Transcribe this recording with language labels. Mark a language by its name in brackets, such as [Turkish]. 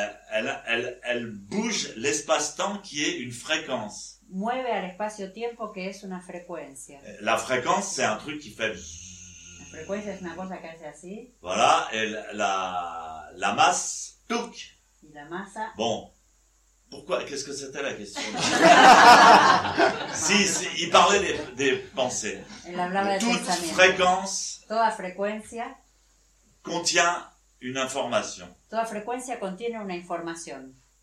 [French] Elle bouge l'espace-temps qui est une fréquence. [Spanish] Mueve al espacio-tiempo que es una frecuencia. [French] La fréquence, c'est un truc qui fait. [Spanish] La frecuencia es una cosa que hace así. [French] Voilà, et la masse, touc. [Spanish] Y la masa. [French] Bon. Pourquoi? Qu'est-ce que c'était la question? si, il parlait des pensées. [Spanish] Il hablaba de [French] toute fréquence. [Spanish] Toda frecuencia. [French] Contient une information. [Spanish] Toda frecuencia contiene una información.